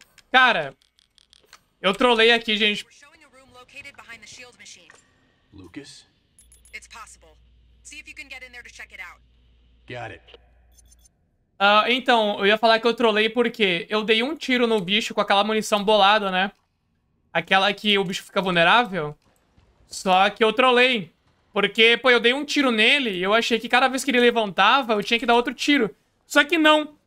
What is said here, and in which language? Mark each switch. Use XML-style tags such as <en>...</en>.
<pt>Cara, eu trolei aqui, gente.</pt> <en>We're showing a room located behind the shield machine. Lucas? It's possible. See if you can get in there to check it out. Got it.</en> <pt>Então, eu ia falar que eu trolei porque eu dei um tiro no bicho com aquela munição bolada, né? Aquela que o bicho fica vulnerável. Só que eu trolei. Porque, pô, eu dei um tiro nele e eu achei que cada vez que ele levantava, eu tinha que dar outro tiro. Só que não.</pt>